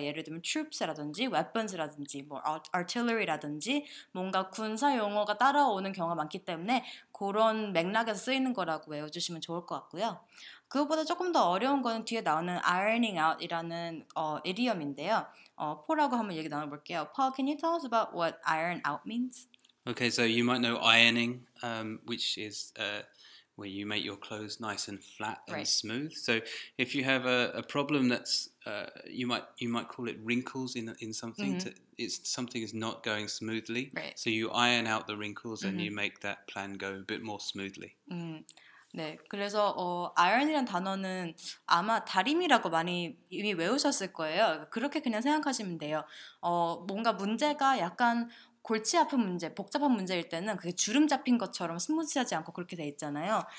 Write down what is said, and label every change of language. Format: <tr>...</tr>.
<ko>예를 들면 troops라든지 weapons라든지 뭐 artillery라든지 뭔가 군사 용어가 따라오는 경우가 많기 때문에 그런 맥락에서 쓰이는 거라고 외워주시면 좋을 것 같고요. 그것보다 조금 더 어려운 거는 뒤에 나오는 ironing out이라는 idiom인데요. 포라고 한번 얘기 나눠볼게요.</ko> <en>Paul, can you tell us about what iron out means? Okay, so you might know ironing, which is where you make your clothes nice and flat and right. smooth. So if you have a problem that's you might call it wrinkles in something, mm-hmm. Something is not going smoothly. Right. So you iron out the wrinkles mm-hmm. and you make that plan go a bit more smoothly. Mm.</en> <ko>네, 그래서 iron이란 단어는 아마 다림이라고 많이 이미 외우셨을 거예요. 그렇게 그냥 생각하시면 돼요. 뭔가 문제가 약간 골치 아픈 문제, 복잡한 문제일 때는 그게 주름 잡힌 것처럼 스무지하지 않고 그렇게 돼 있잖아요.</ko>